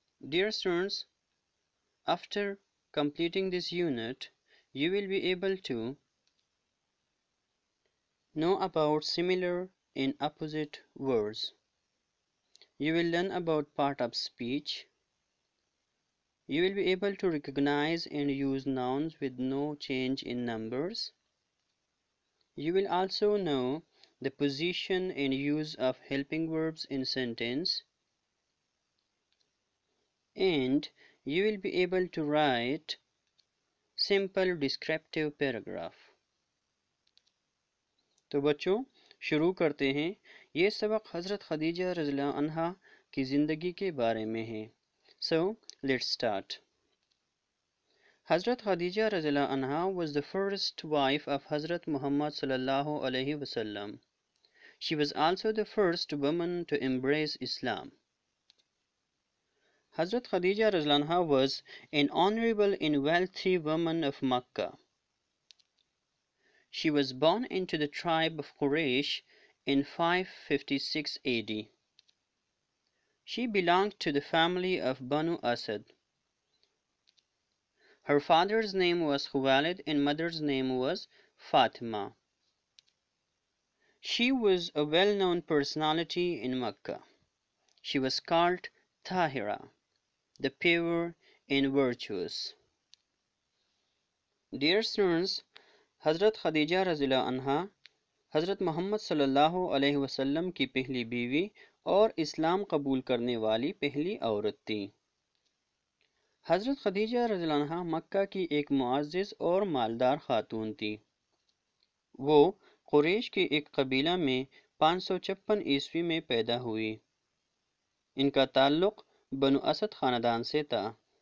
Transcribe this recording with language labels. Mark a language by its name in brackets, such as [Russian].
[English] Dear students, after completing this unit you will be able to know about similar and opposite words. You will learn about part of speech. You will be able to recognize and use nouns with no change in numbers. You will also know the position and use of helping verbs in sentence. And you will be able to write simple descriptive paragraph. [Urdu] تو بچوں شروع کرتے ہیں۔ یہ سبق حضرت خدیجہ رضی اللہ عنہا کی زندگی کے بارے میں ہے۔ [English] So let's start. حضرت Khadija رضی اللہ عنہا was the first wife of حضرت محمد صلی اللہ علیہ وسلم۔ She was also the first woman to embrace Islam. حضرت خدیجہ رضی اللہ عنہا was an honourable and wealthy woman of Mecca. She was born into the tribe of Quraysh in 556 AD. She belonged to the family of Banu Asad. Her father's name was Khuwailid and mother's name was Fatima. She was a well-known personality in Mecca. She was called Tahira, the pure and virtuous. Dear students, [Urdu] حضرت خدیجہ رضی اللہ عنہ حضرت محمد صلی اللہ علیہ وسلم کی پہلی بیوی اور اسلام قبول کرنے والی پہلی عورت تھی۔ حضرت خدیجہ رضی اللہ عنہ مکہ کی ایک معزز اور مالدار خاتون تھی۔ وہ قریش کے ایک قبیلہ میں 556 عیسوی میں پیدا ہوئی۔ ان کا تعلق بنو اسد خاندان سے تھا۔